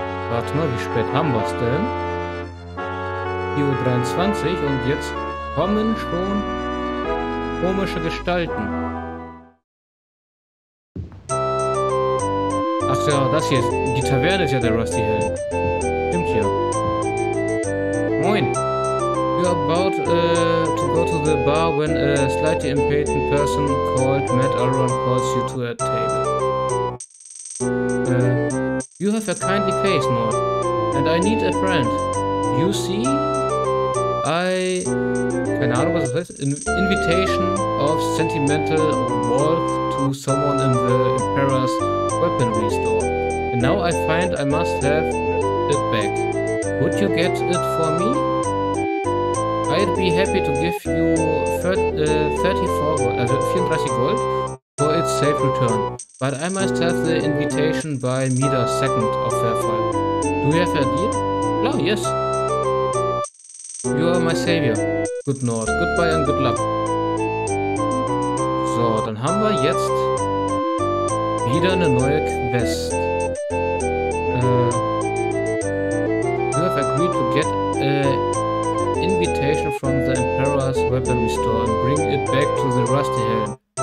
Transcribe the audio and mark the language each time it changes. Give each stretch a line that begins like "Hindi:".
German: Warte mal, wie spät haben wir es denn? 4.23 Uhr und jetzt kommen schon komische Gestalten. Ach ja, das hier, die Taverne ist ja der Rusty Helm. Stimmt ja. Moin!
English: You're about to go to the bar when a slightly impatient person called Matt Alron calls you to a table. You have a kindly face, Maud, and I need a friend. You see, I...
German: Keine Ahnung, was das heißt.
English: An invitation of sentimental wealth to someone in the Emperor's weaponry store. And now I find I must have it back. Would you get it for me? I'd be happy to give you 34 gold for its safe return. But I must have the invitation by Mida's second of fair fall. Do you have a deal? Oh, yes. You are my savior. Good night. Goodbye and good luck.
German: So, dann haben wir jetzt wieder eine neue Quest.
English: You have agreed to get a invitation from the Emperor's weaponry store and bring it back to the Rusty Helm.